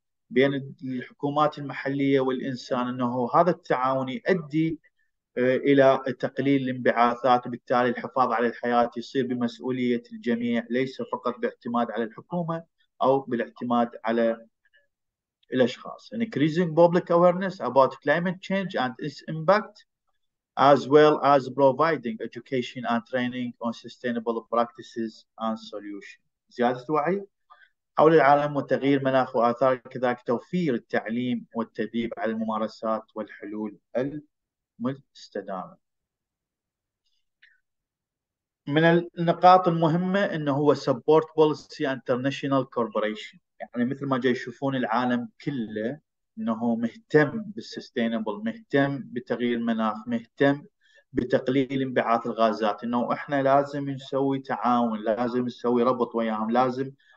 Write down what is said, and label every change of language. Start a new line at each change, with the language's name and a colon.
Arabic: بين الحكومات المحلية والإنسان، أنه هذا التعاون يؤدي إلى تقليل الانبعاثات، وبالتالي الحفاظ على الحياة يصير بمسؤولية الجميع، ليس فقط باعتماد على الحكومة أو بالاعتماد على الأشخاص.
English: Increasing public awareness about climate change and its impact, as well as providing education and training on sustainable practices and solutions.
Arabic: زيادة الوعي حول العالم وتغيير مناخ وآثار، كذلك توفير التعليم والتدريب على الممارسات والحلول المستدامة. من النقاط المهمة أنه هو
English: support policy international cooperation،
Arabic: يعني مثل ما جاي يشوفون العالم كله أنه مهتم بالsustainable، مهتم بتغيير المناخ، مهتم بتقليل انبعاث الغازات، أنه إحنا لازم نسوي تعاون، لازم نسوي ربط وياهم، لازم